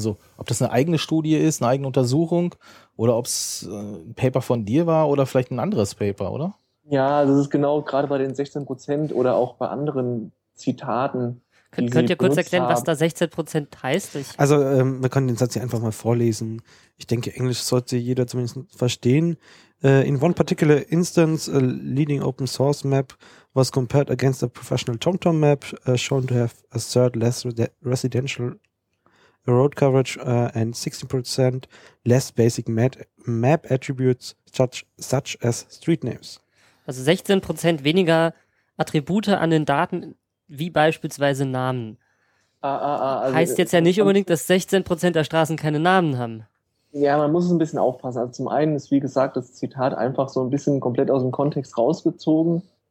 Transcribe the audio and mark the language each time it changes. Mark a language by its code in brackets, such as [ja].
[de] Also ob das eine eigene Studie ist, eine eigene Untersuchung oder ob es ein Paper von dir war oder vielleicht ein anderes Paper, oder? Ja, das ist genau gerade bei den 16% oder auch bei anderen Zitaten. Könnt ihr kurz erklären, was da 16% heißt? Also wir können den Satz hier einfach mal vorlesen. Ich denke, Englisch sollte jeder zumindest verstehen. [en] In one particular instance, a leading open source map was compared against a professional TomTom map, shown to have a third less residential road coverage and 16% less basic map attributes such as street names. [de] Also 16% weniger Attribute an den Daten, wie beispielsweise Namen. Also heißt jetzt ja nicht unbedingt, dass 16% der Straßen keine Namen haben. Ja, man muss es ein bisschen aufpassen. Also zum einen ist, wie gesagt, das Zitat einfach so ein bisschen komplett aus dem Kontext rausgezogen.